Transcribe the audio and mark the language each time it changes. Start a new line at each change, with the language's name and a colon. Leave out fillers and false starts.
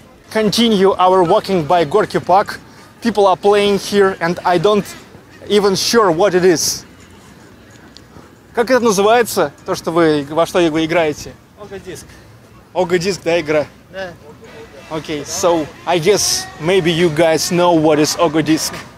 English: Continue our walking by Gorky Park. People are playing here, and I don't even sure what it is.
Russian: Как это называется, то, что вы, во что вы играете? Ого-диск. Ого-диск, да, игра? Да.
English: Okay, so I guess maybe you guys know what is ого-диск.